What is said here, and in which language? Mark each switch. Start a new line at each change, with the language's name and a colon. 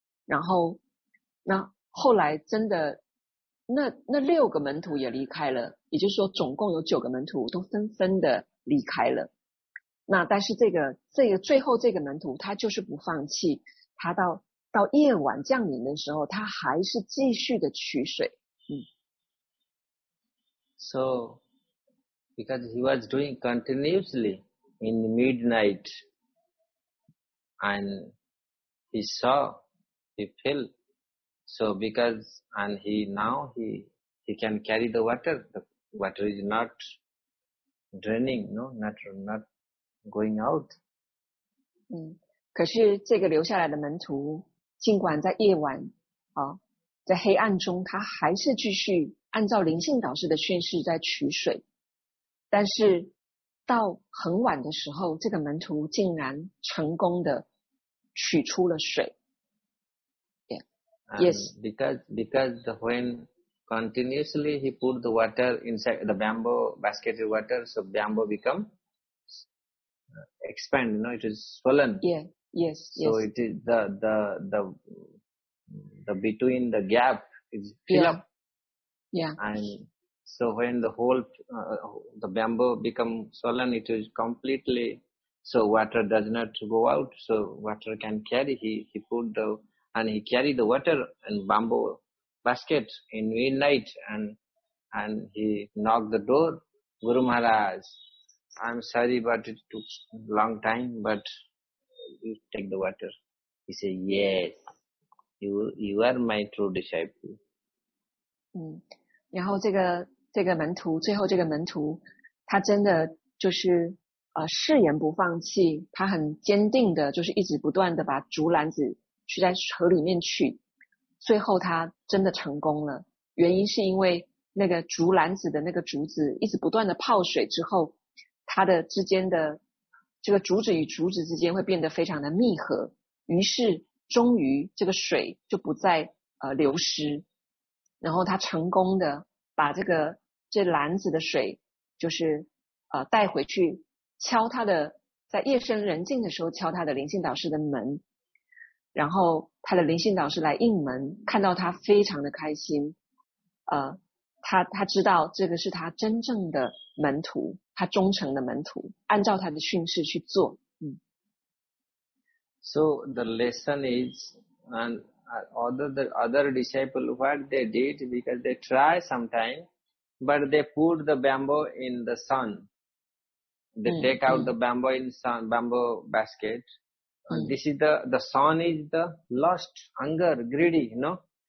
Chinese: 然后那后来真的那六个门徒也离开了，也就是说总共有9个门徒都纷纷的离开了。那但是这个最后这个门徒他就是不放弃，他到夜晚降临的时候他还是继续的取水。
English: So, because he was doing continuously in midnight, and he saw, he felt,So because, and he now, he can carry the water. The water is not draining, no, not going out.
Chinese: 可是这个留下来的门徒，尽管在夜晚，在黑暗中，他还是继续按照灵性导师的训示在取水。但是到很晚的时候，这个门徒竟然成功的取出了水。
English: And、 yes. Because when continuously he put the water inside the bamboo basket of water, so bamboo become expand, you know, it is swollen. Yeah, yes, so yes. So it is the between the gap is fill up. Yeah. And so when the whole, the bamboo become swollen, it is completely, so water does not go out, so water can carry, he put theAnd he carried the water and bamboo basket in midnight and he knocked the door. Guru Maharaj, I'm sorry, but it took long time, but you take the water. He said, yes, you are my true disciple.
Chinese: 然后这个门徒，最后这个门徒，他真的就是誓言不放弃，他很坚定的就是一直不断的把竹篮子去在河里面取，最后他真的成功了。原因是因为那个竹篮子的那个竹子一直不断的泡水之后，它的之间的这个竹子与竹子之间会变得非常的密合，于是终于这个水就不再流失，然后他成功的把这篮子的水就是带回去敲他的，在夜深人静的时候敲他的灵性导师的门。然后他的灵性导师来应门，看到他非常的开心，他知道这个是他真正的门徒，他忠诚的门徒，按照他的训示去做。
English: So the lesson is, and other the other disciple, what they did, because they try sometime, but they put the bamboo in the sun. They take out the bamboo in sun, bamboo basket. And this is the sun is the lust, hunger, greedy, you know.